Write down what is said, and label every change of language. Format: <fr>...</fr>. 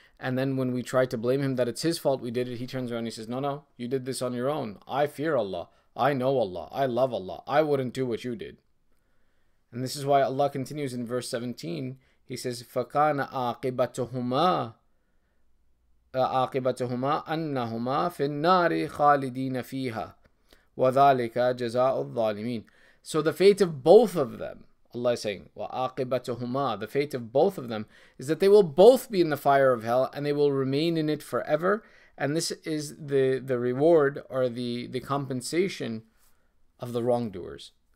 <en>And then when we try to blame him that it's his fault we did it, he turns around and he says, no, you did this on your own. I fear Allah. I know Allah. I love Allah. I wouldn't do what you did. And this is why Allah continues in verse 17. He says,</en> <ar>فَكَانَ عَاقِبَتُهُمَا عاقبتهما أنهما في النار خالدين فيها وذلك جزاء الظالمين.</ar> <en>So the fate of both of them, Allah is saying, وعاقبتهما, the fate of both of them is that they will both be in the fire of hell and they will remain in it forever. And this is the reward or the compensation of the wrongdoers.</en>